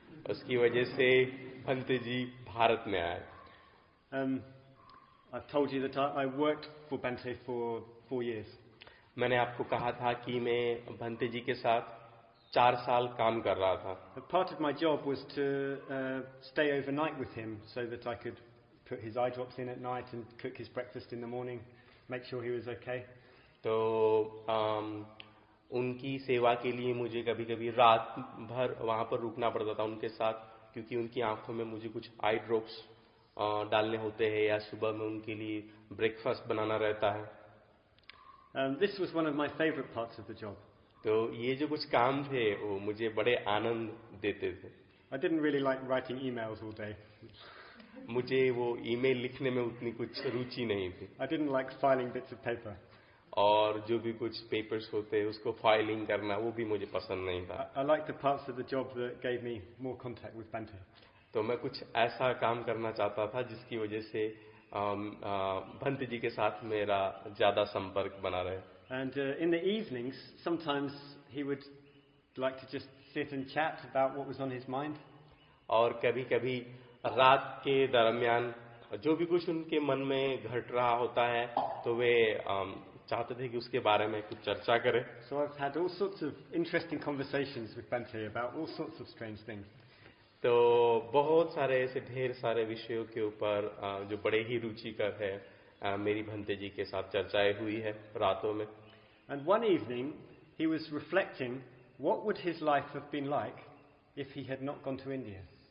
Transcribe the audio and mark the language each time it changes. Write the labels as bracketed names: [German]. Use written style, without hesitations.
[Hindi] उसकी वजह से भंते जी भारत में आए. [English] I've told you that I worked for Bhante for 4 years. [Hindi] मैंने आपको कहा था कि मैं भंते जी के साथ 4 साल काम कर रहा था. [English] But part of my job was to stay overnight with him so that I could put his eye drops in at night and cook his breakfast in the morning, make sure he was okay. [Hindi] तो उनकी सेवा के लिए मुझे कभी कभी रात भर वहां पर रुकना पड़ता था उनके साथ, क्योंकि उनकी आंखों में मुझे कुछ आई ड्रॉप्स डालने होते हैं या सुबह में उनके लिए ब्रेकफास्ट बनाना रहता है. [English] This was one of my favorite parts of the job. [Hindi] तो ये जो कुछ काम थे वो मुझे बड़े आनंद देते थे. [English] I didn't really like writing emails all day. [Hindi] मुझे वो ईमेल लिखने में उतनी कुछ रुचि नहीं थी. [English] I didn't like filing bits of paper. [Hindi] और जो भी कुछ पेपर्स होते हैं उसको फाइलिंग करना वो भी मुझे पसंद नहीं था. [English] I liked the parts of the job that gave me more contact with Bante. [Hindi] तो मैं कुछ ऐसा काम करना चाहता था जिसकी वजह से भंत जी के साथ मेरा ज्यादा संपर्क बना रहे. [English] And in the evenings, sometimes he would like to just sit and chat about what was on his mind. [Hindi] और कभी-कभी रात के दरमियान जो भी कुछ उनके मन में घट रहा होता है तो वे चाहते थे कि उसके बारे में कुछ चर्चा करें. [English] So I've had all sorts of interesting conversations with Bante about all sorts of strange things. [Hindi] तो बहुत सारे ऐसे ढेर सारे विषयों के ऊपर जो बड़े ही रुचिकर है मेरी भंते जी के साथ चर्चाएं हुई है रातों में. [English] And one evening he was reflecting what would his life have been like if he had not gone to India.